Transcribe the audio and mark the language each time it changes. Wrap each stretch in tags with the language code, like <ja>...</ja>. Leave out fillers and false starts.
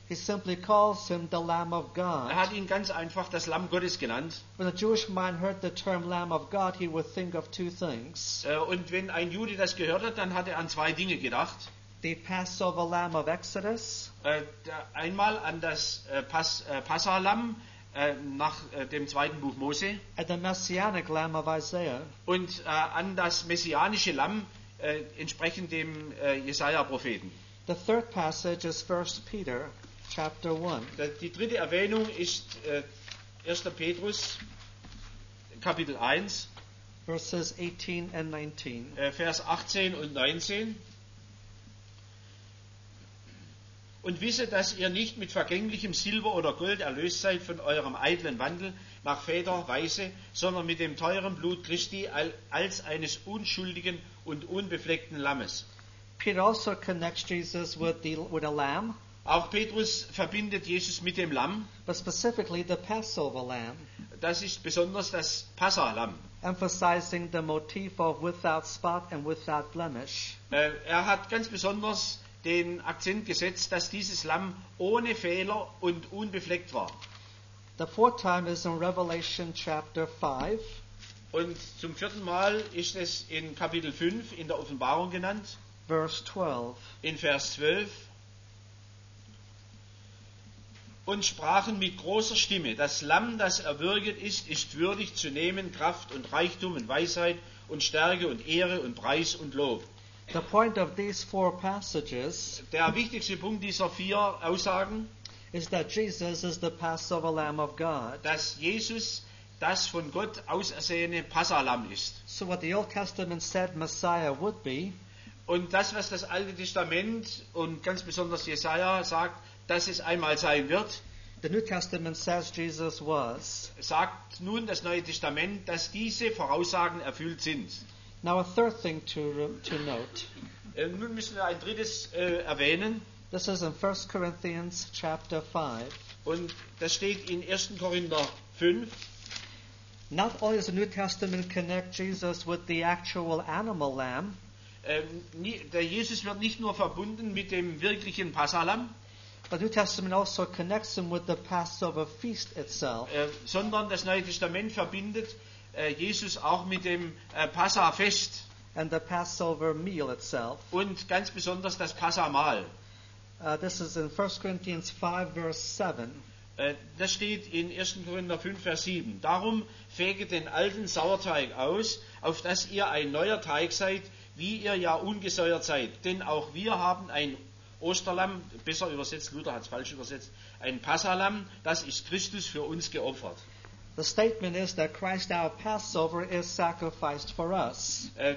<en>He simply calls him the Lamb of God.</en> <de>Er hat ihn ganz einfach das Lamm Gottes genannt.</de> <en>When a Jewish man heard the term Lamb of God, he would think of 2 things.</en> <de>Und wenn ein Jude das gehört hat, dann hat er an 2 Dinge gedacht.</de> <en>The Passover Lamb of Exodus.</en> <de>Einmal an das Passah-Lamm nach dem zweiten Buch Mose.</de> <en>And the Messianic Lamb of Isaiah.</en> <de>Und an das messianische Lamm entsprechend dem Jesaja-Propheten.</de> <en>The third passage is 1 Peter chapter 1.</en> <de>Die dritte Erwähnung ist 1. Petrus Kapitel 1.</de> <en>Verses 18 and 19.</en> <de>Vers 18 und 19. Und wisse, dass ihr nicht mit vergänglichem Silber oder Gold erlöst seid von eurem eitlen Wandel nach Väterweise, sondern mit dem teuren Blut Christi als eines unschuldigen und unbefleckten Lammes.</de> <en>Peter also connects Jesus with a lamb.</en> <de>Auch Petrus verbindet Jesus mit dem Lamm.</de> <en>But specifically the Passover lamb.</en> <de>Das ist besonders das Passahlamm.</de> <en>Emphasizing the motif of without spot and without blemish.</en> <de>Er hat ganz besonders den Akzent gesetzt, dass dieses Lamm ohne Fehler und unbefleckt war.</de> <en>The fourth time is in Revelation chapter 5.</en> <de>Und zum vierten Mal ist es in Kapitel 5 in der Offenbarung genannt.</de> <en>Verse 12.</en> <de>In Vers 12. Und sprachen mit großer Stimme, das Lamm, das erwürget ist, ist würdig zu nehmen, Kraft und Reichtum und Weisheit und Stärke und Ehre und Preis und Lob.</de> <en>The point of these four passages,</en> <de>der wichtigste Punkt dieser vier Aussagen,</de> <en>is that Jesus is the Passover Lamb of God.</en> <de>Dass Jesus das von Gott ausersehene Passahlamm ist.</de> <en>So what the Old Testament said Messiah would be,</en> <de>und das, was das Alte Testament und ganz besonders Jesaja sagt, dass es einmal sein wird.</de> <en>The New Testament says Jesus was.</en> <de>Sagt nun das Neue Testament, dass diese Voraussagen erfüllt sind.</de> <en>Now a third thing to note.</en> <de>Nun müssen wir ein drittes erwähnen.</de> <en>This is in 1 Corinthians chapter 5.</en> <de>Und das steht in 1. Korinther 5.</de> <en>Not only does the New Testament connect Jesus with the actual animal lamb.</en> <de>Der Jesus wird nicht nur verbunden mit dem wirklichen Passahlamm.</de> <en>But the New Testament also connects him with the Passover feast itself.</en> <de>Sondern das Neue Testament verbindet Jesus auch mit dem Passahfest.</de> <en>And the Passover meal itself.</en> <de>Und ganz besonders das Passahmahl.</de> <en>This is in 1 Corinthians 5, verse 7.</en> <de>Das steht in 1. Korinther 5, Vers 7. Darum fege den alten Sauerteig aus, auf dass ihr ein neuer Teig seid, wie ihr ja ungesäuert seid. Denn auch wir haben ein Osterlamm, besser übersetzt, Luther hat es falsch übersetzt, ein Passahlamm, das ist Christus für uns geopfert.</de> <en>The statement is that Christ our Passover is sacrificed for us.</en>